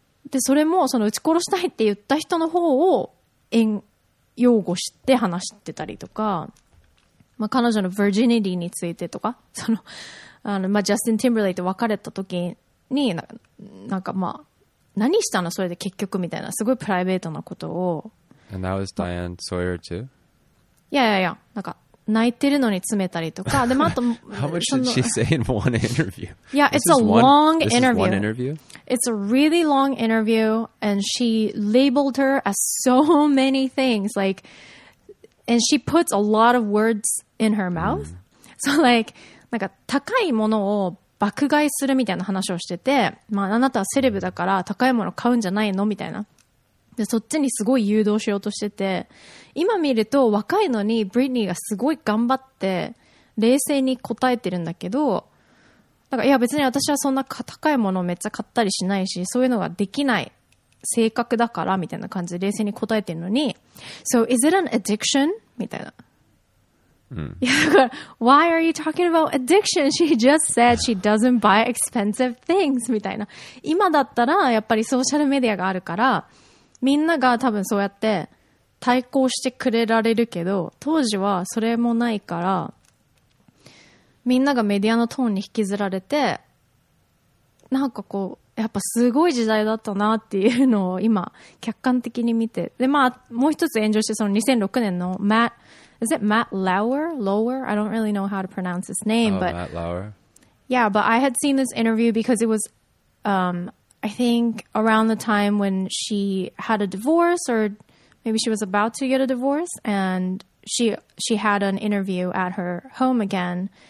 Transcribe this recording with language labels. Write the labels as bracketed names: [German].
[Japanese] で、それも、その、撃ち殺したいって言った人の方を、擁護して話してたりとか、まあ、彼女のヴィージニティについてとか、その、あの、まあ、ジャスティン・ティンブレイと別れた時に、なんか、まあ、何したのそれで結局みたいな、すごいプライベートなことを。 [English] And that was Diane Sawyer too? いや、なんか、泣いてるのに詰めたりとか、でもあと、 How much did she say in one interview? Yeah, it's a long interview. This is one interview? It's a really long interview, and she labeled her as so many things, like, and she puts a lot of words in her mouth. So, like, [Japanese] なんか、高いものを爆買いするみたいな話をしてて、まあ、あなたはセレブだから高いもの買うんじゃないのみたいな。で、そっちにすごい誘導しようとしてて、今見ると若いのにブリニーがすごい頑張って冷静に答えてるんだけど、だからいや別に私はそんな高いものをめっちゃ買ったりしないし、そういうのができない性格だからみたいな感じで冷静に答えてるのに、 [English] So is it an addiction? [Japanese] みたいな、うん、いやだから [English] Why are you talking about addiction? She just said she doesn't buy expensive things [Japanese] みたいな。今だったらやっぱりソーシャルメディアがあるからみんなが多分そうやって対抗してくれられるけど、当時はそれもないから、みんながメディアのトーンに引きずられて、なんかこう、やっぱすごい時代だったなっていうのを今、客観的に見て。で、まあ、もう一つ炎上して、その2006年の Matt、 [English] is it Matt Lauer? Lower? I don't really know how to pronounce his name, but... Oh, Matt Lauer? Yeah, but I had seen this interview because it was... I think around the time when she had a divorce or maybe she was about to get a divorce and she had an interview at her home again.